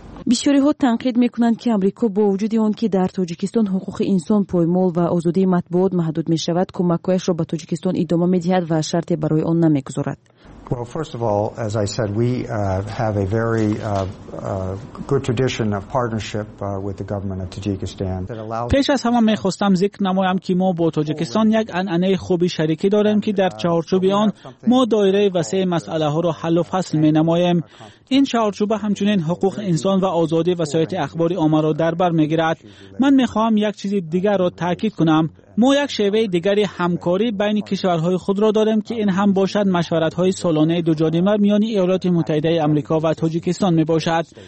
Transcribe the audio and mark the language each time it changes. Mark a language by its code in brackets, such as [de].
[fa] بسیاری ها تنقید میکنند که آمریکا با وجود آن که در تاجیکستان حقوق انسان پایمال و آزادی مطبوعات محدود می شود، کمک‌هایش را به تاجیکستان ادامه می دهد و شرطی برای آن نمی گذارد. [en] Well, first of all, as I said, we have a very good tradition of partnership with the government of Tajikistan. [fa] پیش از همه می‌خواستم ذکر نمایم که ما با تاجیکستان یک عنعنه خوبی شریکی داریم که در چهارچوب آن ما دایره وسیع مسئله ها را حل و فصل می‌نماییم. این چهارچوب همچنین حقوق انسان و آزادی وسایل اخباری عامه را در بر می‌گیرد. من می‌خواهم یک چیز دیگر را تاکید کنم. ما یک شیوه دیگری همکاری بین کشورهای خود را داریم که این هم باشد مشورت‌های سالانه دوجانبه میان ایالات متحده آمریکا و تاجیکستان میباشد.